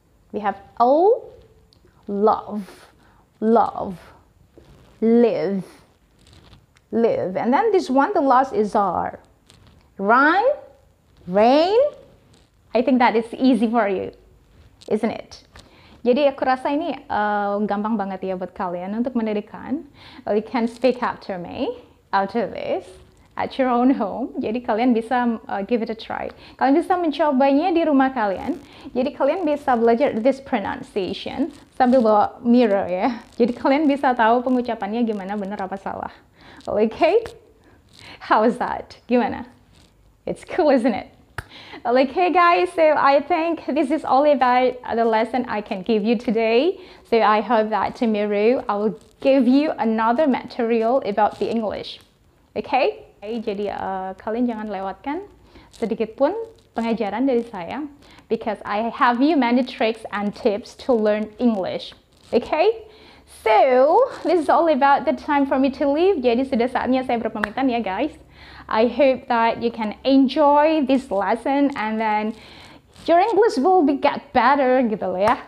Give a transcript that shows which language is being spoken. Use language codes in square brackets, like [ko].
[en] We have all. Love. Love. Live. Live. And then this one, the last is R. Run. Rain. I think that is easy for you, isn't it? [id] Jadi aku rasa ini gampang banget ya buat kalian untuk mendidikan. [en] Well, you can speak after me, after this, at your own home. [id] Jadi kalian bisa [en] give it a try. [id] Kalian bisa mencobanya di rumah kalian. Jadi kalian bisa belajar [en] this pronunciation [id] sambil bawa mirror ya. Jadi kalian bisa tahu pengucapannya gimana benar apa salah. [en] Well, okay? How is that? [id] Gimana? [en] It's cool, isn't it? Okay guys, so I think this is all about the lesson I can give you today. So I hope that tomorrow I will give you another material about the English. Okay? Okay, [id] jadi kalian jangan lewatkan sedikit pun pengajaran dari saya, [en] because I have you many tricks and tips to learn English. Okay? So, this is all about the time for me to leave. [id] Jadi sudah saatnya saya berpamitan ya guys. [en] I hope that you can enjoy this lesson and then your English will be get better [id] gitu loh ya.